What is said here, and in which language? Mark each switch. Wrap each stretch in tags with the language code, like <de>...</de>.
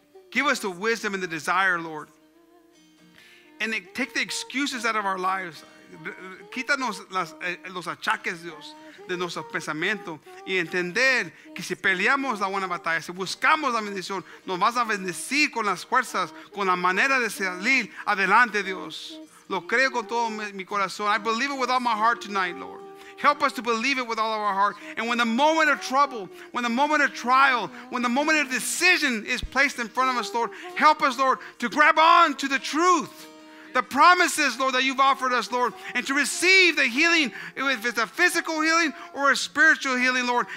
<en>Give us the wisdom and the desire, Lord. And take the excuses out of our lives.</en> <es>Quítanos los achaques, Dios, de nuestro pensamiento. Y entender que si peleamos la buena batalla, si buscamos la bendición, nos vas a bendecir con las fuerzas, con la manera de salir adelante, Dios. Lo creo con todo mi corazón.</es> <en>I believe it with all my heart tonight, Lord. Help us to believe it with all of our heart. And when the moment of trouble, when the moment of trial, when the moment of decision is placed in front of us, Lord, help us, Lord, to grab on to the truth, the promises, Lord, that you've offered us, Lord, and to receive the healing, if it's a physical healing or a spiritual healing, Lord.</en>